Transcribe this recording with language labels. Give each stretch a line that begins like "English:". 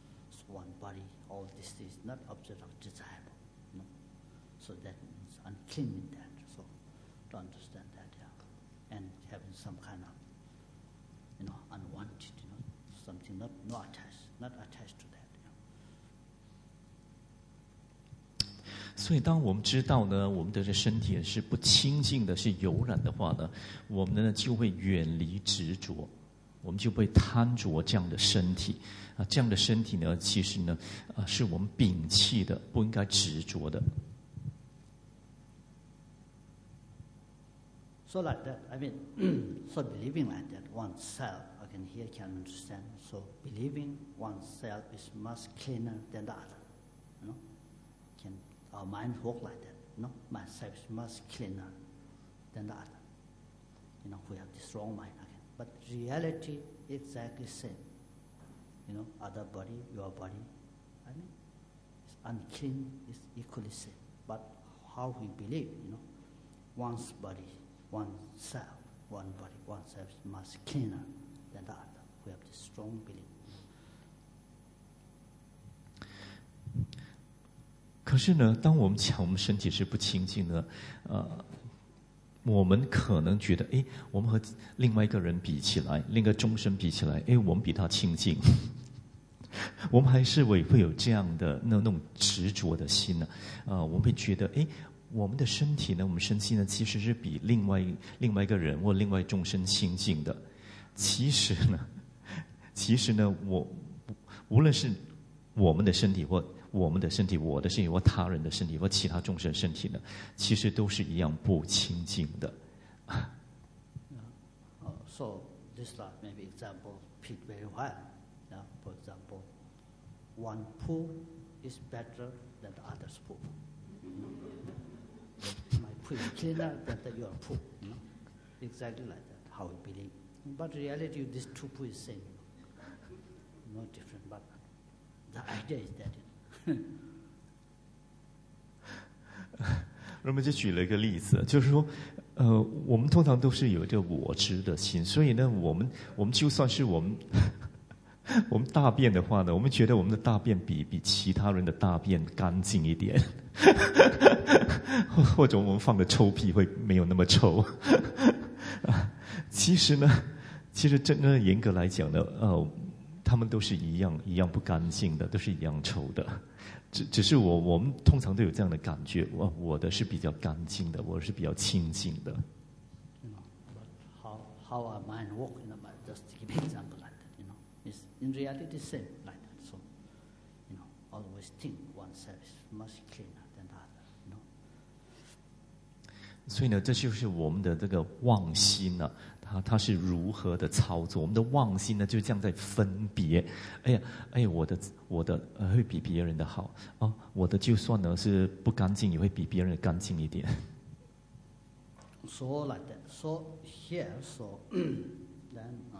English: So one body, all this is not object of desire, you know. So that means unclean in that. So to understand that, yeah. And having some kind of, you know, unwanted, you know, something not attached to that.
Chinese: 所以当我们知道呢，我们的这身体是不清净的，是有染的话呢，我们呢就会远离执着，我们就会贪着这样的身体啊，这样的身体呢其实呢啊是我们摒弃的，不应该执着的。
English: So like that, I mean, so believing like that oneself, I can hear, can understand. So believing oneself is much cleaner than the other, you know, can. Our mind work like that, you know? Myself is much cleaner than the other. You know, we have this wrong mind again. But reality is exactly the same. You know, other body, your body, I mean, it's unclean, it's equally the same. But how we believe, you know, one's body, oneself, one body, oneself is much cleaner than the other. We have this strong belief.
Chinese: 可是呢，当我们讲我们身体是不清净的，我们可能觉得，哎，我们和另外一个人比起来，另一个众生比起来，哎，我们比他清净，我们还是会有这样的那种执着的心呢、啊，我们会觉得，哎，我们的身体呢，我们身心呢，其实是比另外一个人或另外众生清净的。其实呢，我无论是我们的身体或我们的身体，我的身体，或他人的身体，或其他众生的身体呢，其实都是一样不清净的。
English: So this like maybe example fit very well. Yeah, for example, one pool is better than the other's pool. My pool is cleaner than your pool. You know? Exactly like that. How we believe, but reality, these two pools are same. No different, but the idea is that.
Chinese: 那么就举了一个例子，就是说，我们通常都是有一个我执的心，所以呢，我们就算是我们大便的话呢，我们觉得我们的大便比其他人的大便干净一点，或者我们放的臭屁会没有那么臭。其实真正严格来讲呢，他们都是一样不干净的，都是一样臭的。只是我们通常都有这样的感觉，我的是比较干净的，我是比较清净的。
English: You know, but how our mind work, you know, just give an example like that, you know, is in reality the same like that. So, you know, always think oneself is much cleaner than the other, you know.
Chinese: 所以呢，这就是我们的这个妄心呢、啊。它是如何的操作？我们的妄心呢，就这样在分别。哎呀，哎呀，我的会比别人的好啊、哦！我的就算呢是不干净，也会比别人干净一点。
English: So like that. So here, so then,